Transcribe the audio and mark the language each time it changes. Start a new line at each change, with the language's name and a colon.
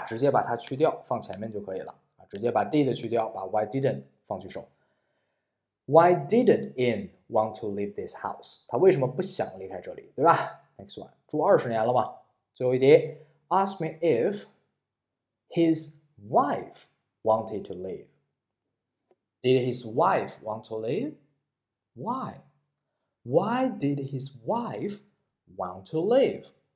Chinese: 直接把它去掉，放前面就可以了。直接把 did 去掉，把
English: why didn't
Chinese: 放句首。
English: Why didn't In want to leave this house?
Chinese: 他为什么不想离开这里？对吧
English: ？Next one，
Chinese: 住二十年了嘛。最后一题
English: ，Ask me if his wife wanted to leave. Did his wife want to leave? Why? Why did his wife want to leave?